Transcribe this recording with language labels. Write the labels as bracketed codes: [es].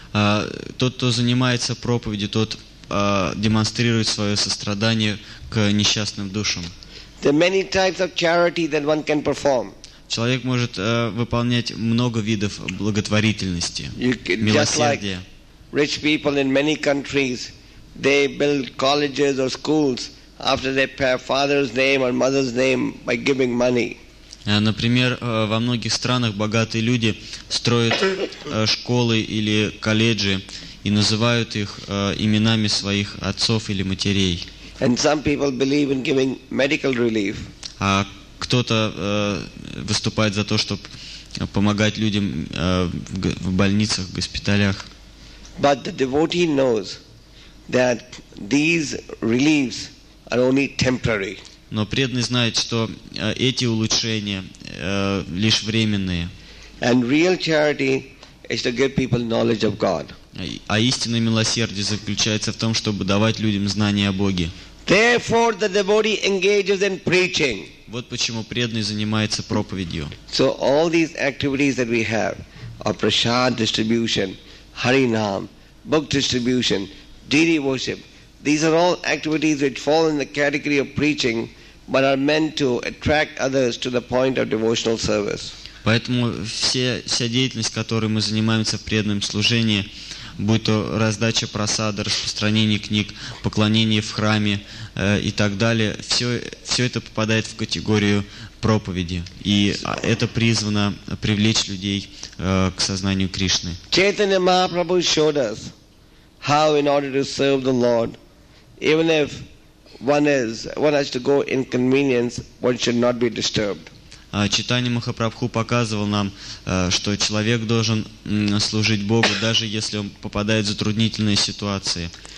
[ru] Тот, кто занимается проповедью, тот демонстрирует свое сострадание к несчастным душам. [en] There are many types of charity that one can perform. [ru] Человек может выполнять много видов благотворительности, милосердия. [en] Rich people in many countries, they build colleges or schools after their father's name or mother's name by giving money. [ru] Например, во многих странах богатые люди строят школы или колледжи и называют их именами своих отцов или матерей. [en] And some people believe in giving medical relief. [ru] А кто-то выступает за то, чтобы помогать людям в больницах, в госпиталях. [en] But the devotee knows that these reliefs are only temporary. [ru] Но преданный знает, что эти улучшения лишь временные. [en] And real charity is to give people knowledge of God. [ru] А истинное милосердие заключается в том, чтобы давать людям знания о Боге. [en] Therefore, the devotee engages in preaching. [ru] Вот почему преданный занимается проповедью. [en] So all these activities that we have are prasad distribution, harinam, book distribution, deity worship. These are all activities which fall in the category of preaching, but are meant to attract others to the point of devotional service. [ru] Поэтому вся деятельность, которой мы занимаемся в преданном служении, будь то раздача просады, распространение книг, поклонение в храме и так далее, все это попадает в категорию проповеди. И это призвано привлечь людей к сознанию Кришны. [en] Chaitanya Mahaprabhu showed us how in order to serve the Lord, even if one has to go inconvenience, one should not be disturbed. [ru] Читание Махапрабху показывал нам, что человек должен служить Богу, даже если он попадает в затруднительные ситуации.